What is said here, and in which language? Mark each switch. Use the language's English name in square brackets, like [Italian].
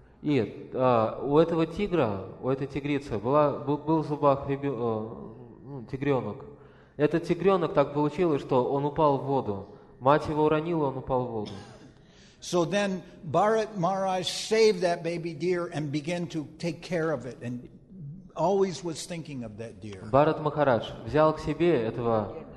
[Russian] И у этого тигра, у этой тигрицы, был в зубах тигренок. Этот тигренок так получилось, что он упал в воду. Мать его уронила, он упал в воду. [English] So then Bharat Maharaj saved that baby deer and began to take care of it, and always was thinking of that deer. [Russian] Бхарат Махарадж взял к себе этого.